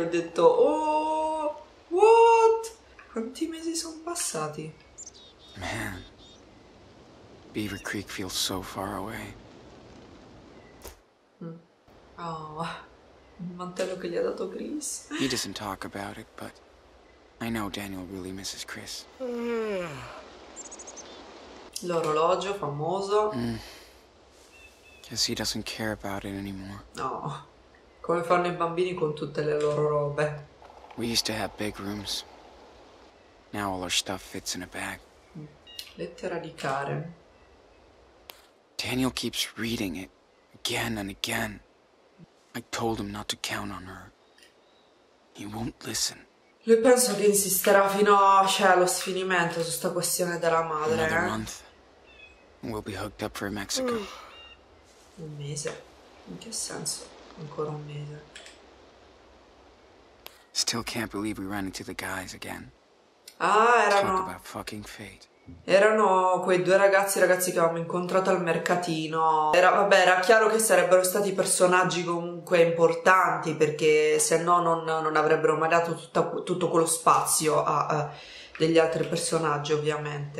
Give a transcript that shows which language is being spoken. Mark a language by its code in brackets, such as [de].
[it] Ho detto, [en] oh, what? [it] Quanti mesi sono passati? [en] Man, Beaver Creek feels so far away. [it] Oh, il mantello che gli ha dato Chris. [en] He doesn't talk about it, but I know Daniel really misses Chris. [it] L'orologio famoso. [en] Guess he doesn't care about it anymore. No. Oh. [it] Come fanno i bambini con tutte le loro robe? [en] We used to have big rooms. Now all our stuff fits in a bag. [it] Lettera di Karen. [en] Daniel keeps reading it again and again. I told him not to count on her. He won't listen. [it] Lui penso che insisterà fino a, cioè, allo sfinimento su sta questione della madre. [en] Another month. We'll be hooked up for Mexico. [it] Un mese. In che senso? Ancora un mese. [en] Still can't believe we ran into the guys again. [it] Ah, erano. [en] Talk about fucking fate. [it] Erano quei due ragazzi che avevamo incontrato al mercatino. Era chiaro che sarebbero stati personaggi comunque importanti, perché se no non avrebbero mai dato tutto quello spazio a degli altri personaggi, ovviamente.